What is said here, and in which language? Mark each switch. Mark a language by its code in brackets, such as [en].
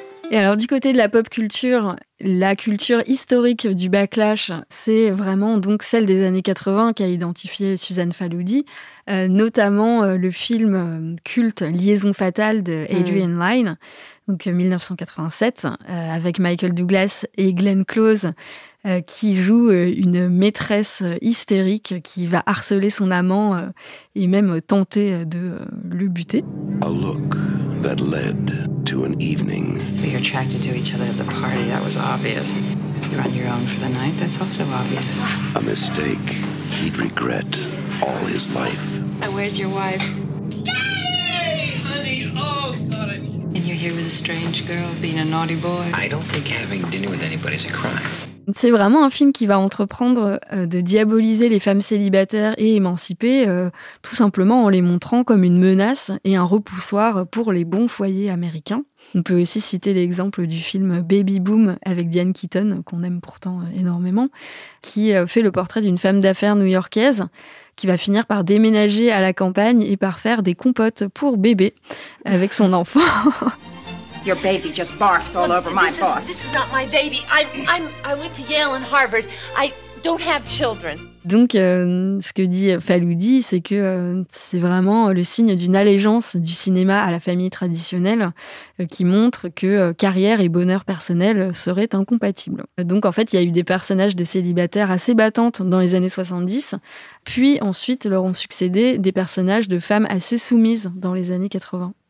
[fr] Et alors, du côté de la pop culture, la culture historique du backlash, c'est vraiment donc celle des années 80 qu'a identifié Suzanne Faludi, notamment le film culte Liaison fatale de Adrian Lyne, donc 1987, avec Michael Douglas et Glenn Close, qui joue une maîtresse hystérique qui va harceler son amant et même tenter de le buter. [en] A look that led to an evening. We were attracted to each other at the party, that was obvious. You're on your own for the night, that's also obvious. A mistake he'd regret all his life. Now where's your wife? [fr] C'est vraiment un film qui va entreprendre de diaboliser les femmes célibataires et émancipées, tout simplement en les montrant comme une menace et un repoussoir pour les bons foyers américains. On peut aussi citer l'exemple du film Baby Boom avec Diane Keaton, qu'on aime pourtant énormément, qui fait le portrait d'une femme d'affaires new-yorkaise qui va finir par déménager à la campagne et par faire des compotes pour bébé avec son enfant. [en] Your baby just barfed all over my boss. This is not my baby. I went to Yale and Harvard. I don't have children. [fr] Donc, ce que dit Faludi, c'est que c'est vraiment le signe d'une allégeance du cinéma à la famille traditionnelle qui montre que carrière et bonheur personnel seraient incompatibles. Donc, en fait, il y a eu des personnages de célibataires assez battantes dans les années 70, puis ensuite leur ont succédé des personnages de femmes assez soumises dans les années 80.